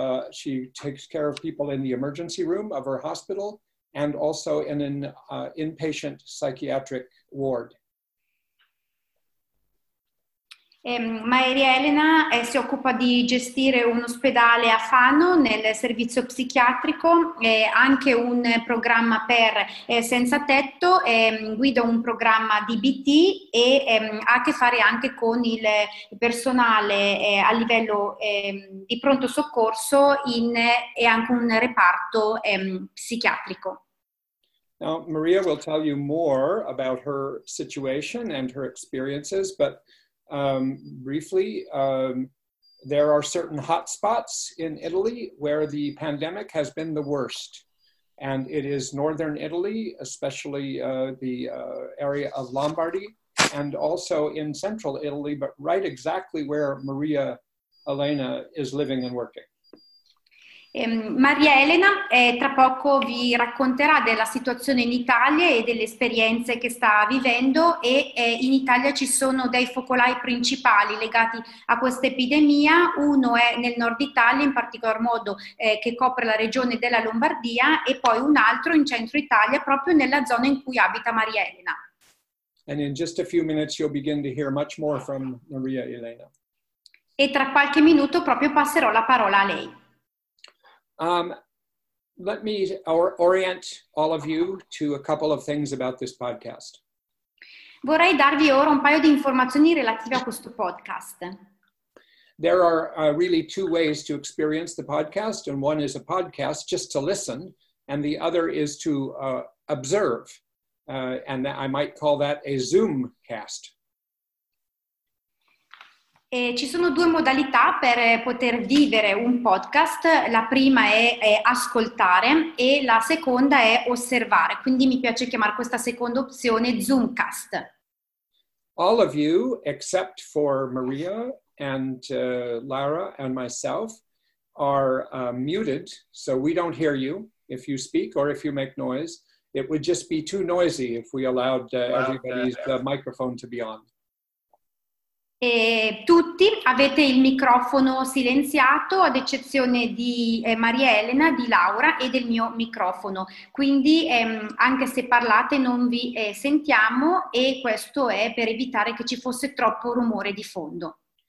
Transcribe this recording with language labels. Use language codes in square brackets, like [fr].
[en] She takes care of people in the emergency room of her hospital and also in an inpatient psychiatric ward. [it] Maria Elena si occupa di gestire un ospedale a Fano nel servizio psichiatrico, anche un programma per senza tetto, guida un programma DBT e ha a che fare anche con il personale a livello di pronto soccorso e anche un reparto psichiatrico. [en] Now, Maria will tell you more about her situation and her experiences, but briefly, There are certain hot spots in Italy where the pandemic has been the worst. And it is northern Italy, especially the area of Lombardy, and also in central Italy, but right exactly where Maria Elena is living and working. [it] Maria Elena tra poco vi racconterà della situazione in Italia e delle esperienze che sta vivendo e in Italia ci sono dei focolai principali legati a questa epidemia. Uno è nel nord Italia, in particolar modo che copre la regione della Lombardia, e poi un altro in centro Italia, proprio nella zona in cui abita Maria Elena. [en] And in just a few minutes you'll begin to hear much more from Maria Elena. [it] E tra qualche minuto proprio passerò la parola a lei. [en] Let me orient all of you to a couple of things about this podcast. [it] Vorrei darvi ora un paio di informazioni relative a questo podcast. [en] There are really two ways to experience the podcast, and one is a podcast, just to listen, and the other is to observe, and I might call that a Zoom cast. [it] Ci sono due modalità per poter vivere un podcast. La prima è ascoltare e la seconda è osservare. Quindi mi piace chiamare questa seconda opzione Zoomcast. [en] All of you, except for Maria and Lara and myself, are muted, so we don't hear you if you speak or if you make noise. It would just be too noisy if we allowed everybody's microphone to be on. [it] E tutti avete il microfono silenziato, ad eccezione di Maria Elena, di Laura e del mio microfono. Quindi anche se parlate non vi sentiamo, e questo è per evitare che ci fosse troppo rumore di fondo.